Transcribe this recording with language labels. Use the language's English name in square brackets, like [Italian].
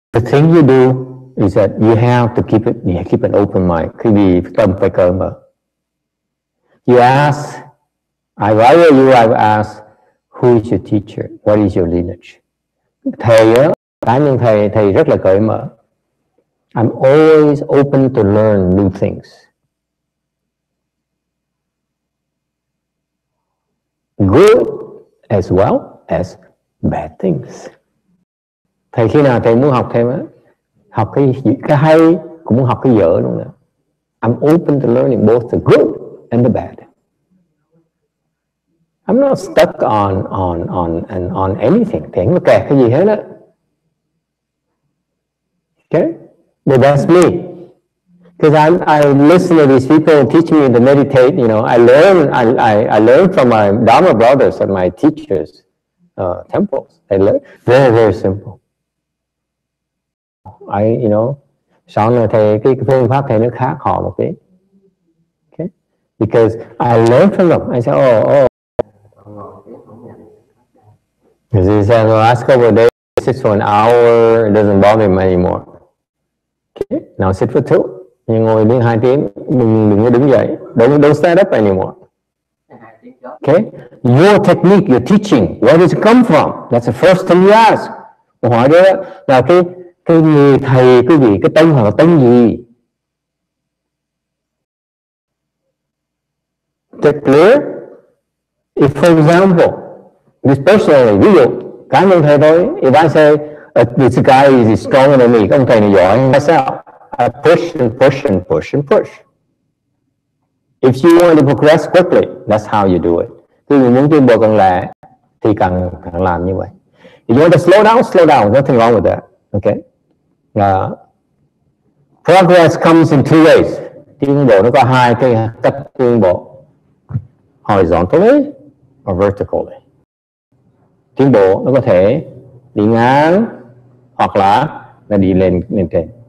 [English] The thing you do is that you have to keep it, you have to keep an open mind. Could be [Vietnamese] tâm phải cởi mở. [English] You ask, I've asked, who is your teacher? What is your lineage? [Vietnamese] Thầy á, cá nhân thầy, thầy rất là cởi mở. [English] I'm always open to learn new things. Good as well as bad things. [Vietnamese] Thầy khi nào thầy muốn học thêm á, học cái hay cũng muốn học cái dở luôn nè. [English] I'm open to learning both the good and the bad. I'm not stuck on anything. [Vietnamese] Thì anh có kẹt cái gì hết á. [English] Okay? But that's me. Because I listen to these people teach me to meditate, you know, I learn from my Dharma brothers and my teachers' temples. I learn very, very simple. [Vietnamese] I, you know, sau này thầy cái phương pháp thầy nó khác họ một tí. [English] Okay? Because I learn from them. I say, Because he said, the last couple of days, he sits for an hour, it doesn't bother him anymore. Okay? Now sit for two. [Vietnamese] Nhưng ngồi đến 2 tiếng, đừng có đứng dậy. [English] Don't stand up anymore. Okay? Your technique, your teaching, where does it come from? That's the first thing you ask. [Vietnamese] Hỏi đó là cái người thầy quý vị cái tông hoặc là tông gì? [English] That clear? If for example, this person, [Vietnamese] ví dụ, cá nhân thầy tôi, [English] if I say, this guy is stronger than me, [Vietnamese] ông thầy này giỏi hơn [English] myself, I push and push and push and push. If you want to progress quickly, that's how you do it. [Vietnamese] Quý vị muốn tiến bộ càng lẹ, thì càng làm như vậy. [English] If you want to slow down, nothing wrong with that, okay? Progress comes in two ways. [Vietnamese] Tiến bộ nó có hai cái cách tiến bộ. [English] Horizontally or vertically. [Vietnamese] Tiến bộ nó có thể đi ngang hoặc là đi lên lên trên.